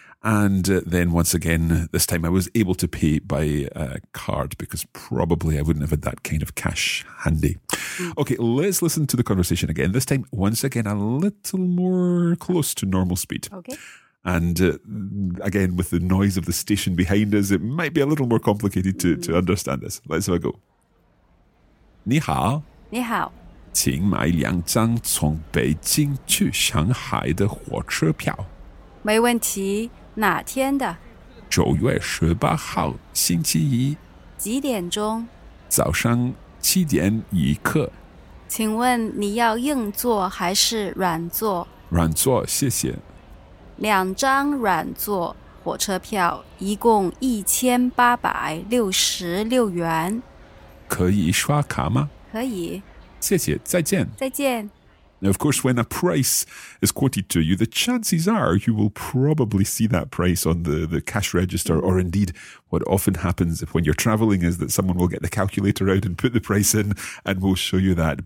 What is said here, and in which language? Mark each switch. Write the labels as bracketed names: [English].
[English] And then once again, this time I was able to pay by card because probably I wouldn't have had that kind of cash handy. Okay, let's listen to the conversation again. This time, once again, a little more close to normal speed. Okay. And again, with the noise of the station behind us, it might be a little more complicated to understand this. Let's have a go. [Chinese] 你好。你好。请买两张从北京去上海的火车票。没问题。哪天的？ 9月18号，星期一。几点钟？早上7点1刻。请问你要硬座还是软座？软座，谢谢。两张软座火车票，一共1866元。可以刷卡吗？可以。谢谢，再见。再见。 [English] Now, of course, when a price is quoted to you, the chances are you will probably see that price on the cash register. Or indeed, what often happens when you're traveling is that someone will get the calculator out and put the price in and will show you that.